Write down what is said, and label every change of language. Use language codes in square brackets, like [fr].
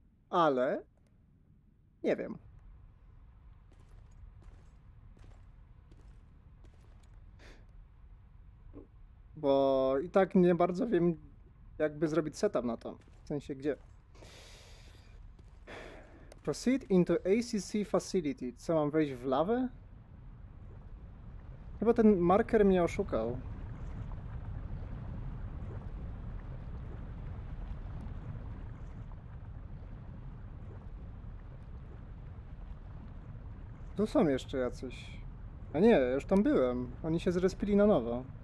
[pl] Ale nie wiem. Bo i tak nie bardzo wiem, jakby zrobić setup na to. W sensie gdzie. [en] Proceed into ACC facility. [pl] Co, mam wejść w lawę? Chyba ten marker mnie oszukał. Tu są jeszcze jacyś. A nie, już tam byłem. Oni się zrespili na nowo.